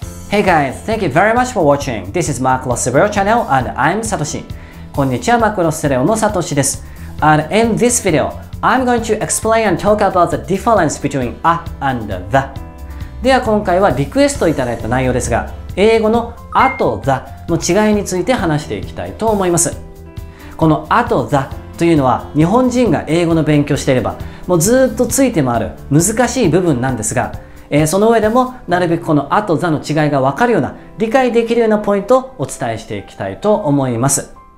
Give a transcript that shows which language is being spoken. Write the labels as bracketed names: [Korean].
[English] Hey guys, thank you very much for watching. This is Mark Los Cerreos channel and I'm Satoshi. [Japanese] こんにちは、マークロスレオのサトシです。 [English] And in this video, I'm going to explain and talk about the difference between a and the. [Japanese] では今回はリクエストいただいた内容ですが、英語のあとthe の違いについて話していきたいと思います。このあとthe というのは日本人が英語の勉強していればもうずっとついて回る難しい部分なんですが、その上でもなるべくこのあとthe の違いが分かるような理解できるようなポイントをお伝えしていきたいと思います。